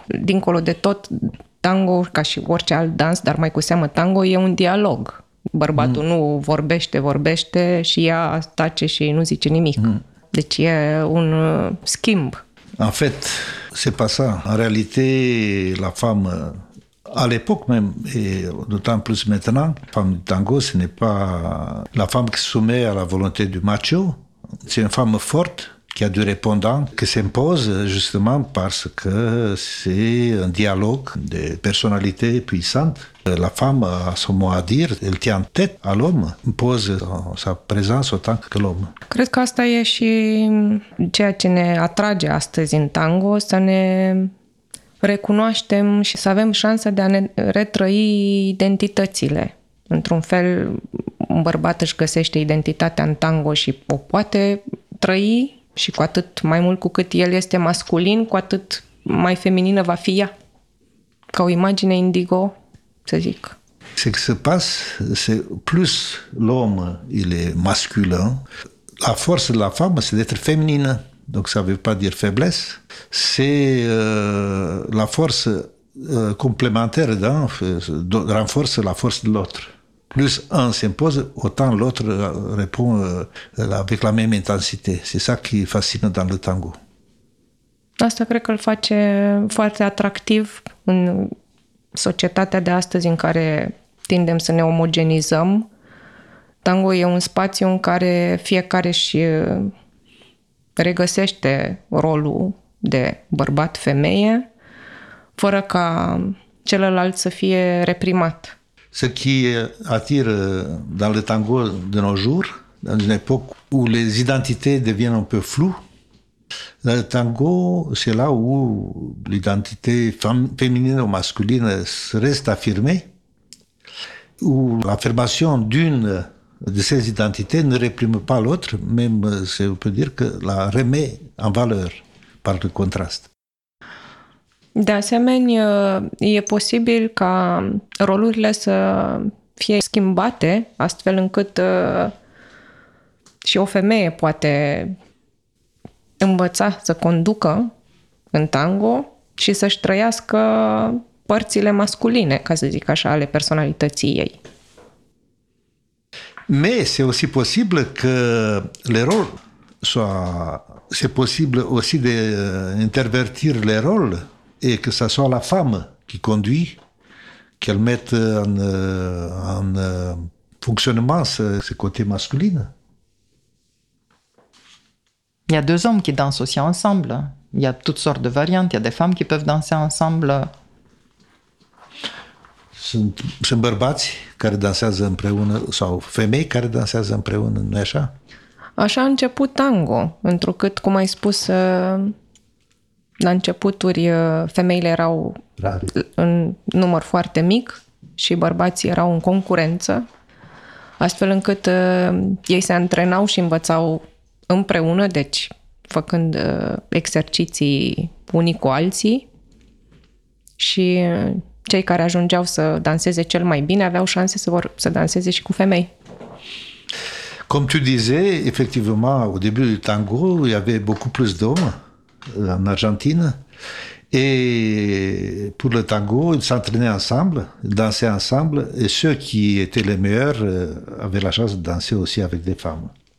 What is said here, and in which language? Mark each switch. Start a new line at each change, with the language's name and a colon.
Romanian: Dincolo de tot, tango, ca și orice alt dans, dar mai cu seamă tango, e un dialog. bărbatul nu vorbește și ea tace și nu zice nimic. Deci e un schimb. În fapt, se pasa în realitate la famă.
French: À l'époque même, et d'autant plus maintenant, la femme du tango, ce n'est pas la femme qui se soumet à la volonté du macho. C'est une femme forte qui a du répondant, qui s'impose justement parce que c'est un dialogue de personnalités puissantes. La femme a son mot à dire, elle tient tête à l'homme, impose sa présence autant que l'homme.
Romanian: Cred că asta e și ceea ce ne atrage astăzi în tango, să ne recunoaștem și să avem șansa de a ne retrăi identitățile. Într-un fel, un bărbat își găsește identitatea în tango și o poate trăi și cu atât mai mult cu cât el este masculin, cu atât mai feminină va fi ea. Ca o imagine indigo, să zic.
French: Ce se passe, c'est plus l'homme il est masculin, la force de la femme c'est d'être féminine. Donc ça veut pas dire faiblesse, c'est la force complémentaire, renforce la force de l'autre. Plus un s'impose, autant l'autre répond avec la même intensité. C'est ça qui fascine dans le tango.
Romanian: Asta cred că îl face foarte atractiv în societatea de astăzi în care tindem să ne omogenizăm. Tango e un spațiu în care fiecare și regăsește rolul de bărbat-femeie fără ca celălalt să fie reprimat.
French: Ce qui attire dans le tango de nos jours, dans une époque où les identités deviennent un peu floues, dans le tango, c'est là où l'identité féminine ou masculine reste affirmée, où l'affirmation d'une de ces identités ne réprime pas l'autre, même si on peut dire que la remet en valeur par le contraste.
Romanian: De asemenea, e posibil ca rolurile să fie schimbate, astfel încât și o femeie poate învăța să conducă în tango și să-și trăiască părțile masculine, ca să zic așa, ale personalității ei.
French: Mais c'est aussi possible que les rôles soient... C'est possible aussi d'intervertir les rôles et que ce soit la femme qui conduit, qu'elle mette en fonctionnement ce côté masculin. Il y a deux hommes qui dansent aussi ensemble. Il y a toutes sortes de variantes. Il y a des femmes qui peuvent danser ensemble.
Romanian: Sunt bărbați care dansează împreună sau femei care dansează împreună, nu-i așa? Așa a început tango, întrucât, cum ai spus, la începuturi femeile erau rare, în număr foarte mic și bărbații erau în concurență, astfel încât ei se antrenau și învățau împreună, deci făcând exerciții unii cu alții și cei care ajungeau să danseze cel mai bine aveau șanse să danseze și cu femei.
French: Comme tu disais, effectivement, au début du tango, il y avait beaucoup plus d'hommes en Argentine. Et pour le tango, ils s'entraînaient ensemble, dansaient ensemble, et ceux qui étaient les meilleurs avaient la chance de danser aussi avec des femmes.